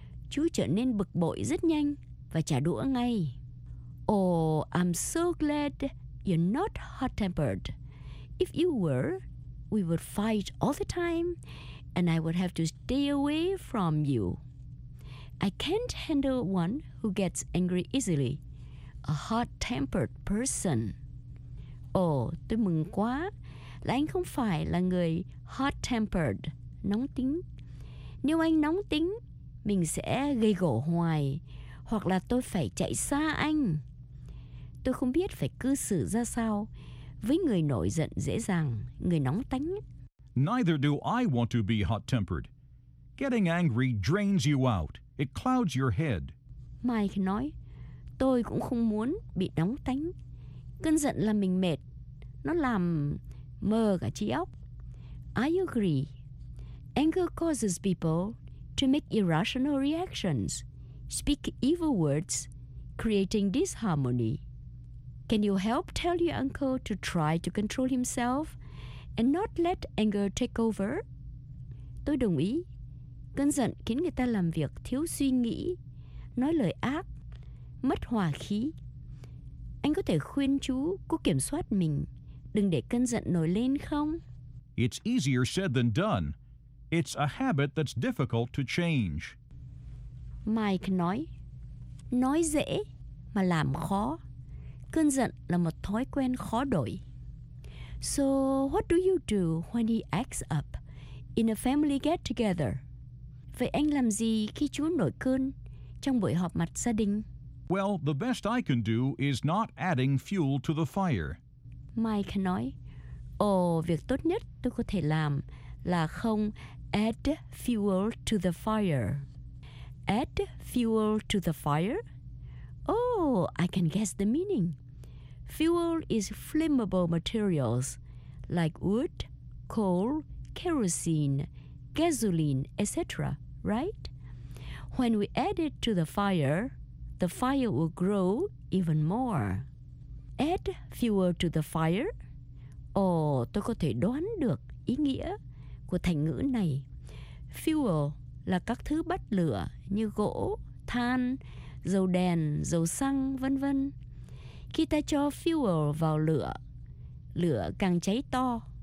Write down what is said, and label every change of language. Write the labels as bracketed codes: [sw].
[vi] Chú trở nên bực bội rất nhanh và trả đũa ngay. [en] Oh, I'm so glad you're not hot-tempered. If you were, we would fight all the time and I would have to stay away from you. I can't handle one who gets angry easily. A hot-tempered person. [vi] Oh, tôi mừng quá là anh không phải là người hot-tempered, nóng tính. Nếu anh nóng tính, mình sẽ gây gổ hoài, hoặc là tôi phải chạy xa anh. Tôi không biết phải cư xử ra sao với người nổi giận dễ dàng, người nóng tánh. [en] Neither do I want to be hot-tempered. Getting angry drains you out. It clouds your head. [vi] Mike nói, tôi cũng không muốn bị nóng tánh. Cơn giận làm mình mệt. Nó làm mờ cả trí óc. [en] I agree. Anger causes people to make irrational reactions, speak evil words, creating disharmony. Can you help tell your uncle to try to control himself and not let anger take over? [vi] Tôi đồng ý. Cơn giận khiến người ta làm việc thiếu suy nghĩ, nói lời ác, mất hòa khí. Anh có thể khuyên chú cố kiểm soát mình, đừng để cơn giận nổi lên không? [en] It's easier said than done. It's a habit that's difficult to change. [vi] Mike nói, nói dễ mà làm khó. Cơn giận là một thói quen khó đổi. [en] So what do you do when he acts up in a family get-together? [vi] Vậy anh làm gì khi chú nổi cơn trong buổi họp mặt gia đình? [en] Well, the best I can do is not adding fuel to the fire. [vi] Mike nói, việc tốt nhất tôi có thể làm là không [en] add fuel to the fire. Add fuel to the fire? Oh, I can guess the meaning. Fuel is flammable materials like wood, coal, kerosene, gasoline, etc., right? When we add it to the fire will grow even more. Add fuel to the fire? [vi] Oh, tôi có thể đoán được ý nghĩa của thành ngữ này. Fuel là các thứ bắt lửa như gỗ, than, dầu đèn, dầu xăng, vân vân. Khi ta cho fuel vào lửa, lửa càng cháy to.